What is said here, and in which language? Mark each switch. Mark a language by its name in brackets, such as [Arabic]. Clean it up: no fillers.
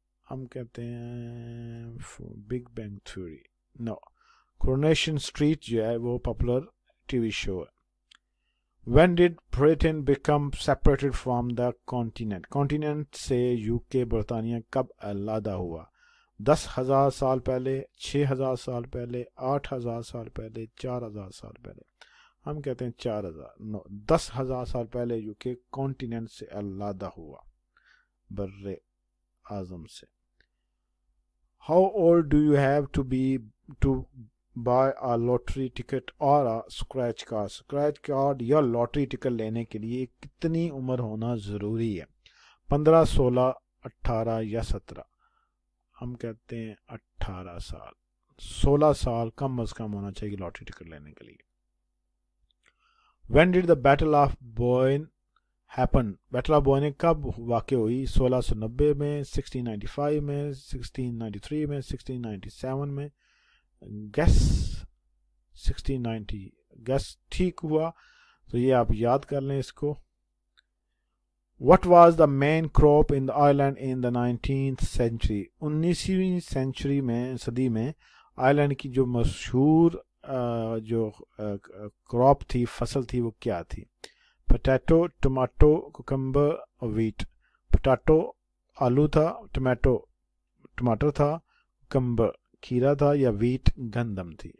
[Urdu] ہم کہتے ہیں بگ بینگ تھیوری, نو, کرونیشن اسٹریٹ جو ہے وہ پاپولر ٹی وی شو ہے. [English] When did Britain become separated from the continent? [Urdu] Continent سے یو کے برطانیہ کب علیحدہ ہوا؟ 10,000 سال پہلے, 6,000 سال پہلے, 8,000 سال پہلے, 4,000 سال پہلے. ہم کہتے ہیں 4,000. نو, 10,000 سال پہلے یو کے کانٹیننٹ سے علیحدہ ہوا بر اعظم سے. [English] How old do you have to be to buy a lottery ticket or a scratch card? [Urdu] Scratch card یا lottery ticket لینے کے لیے کتنی عمر ہونا ضروری ہے؟ [English] 15, 16, 18 or 17. [Urdu] ہم کہتے ہیں 18 سال. 16 سال کم از کم ہونا چاہیے lottery ticket لینے کے لیے. [English] When did the battle of Boyne happen? [Urdu] Battle of Boyne کب واقع ہوئی؟ 1690 میں, 1695 میں, 1693 میں, 1697 میں. Guess 1690 ٹھیک ہوا, تو یہ آپ یاد کر لیں اس کو. [English] What was the main crop in the island in the 19th century? [Urdu] 19th century میں, صدی میں, آئرلینڈ کی جو مشہور جو کراپ تھی, فصل تھی, وہ کیا تھی؟ Potato, tomato, cucumber, wait. Potato آلو تھا, ٹمیٹو ٹماٹر تھا, کمبر کھیرا تھا, یا ویٹ گندم تھی.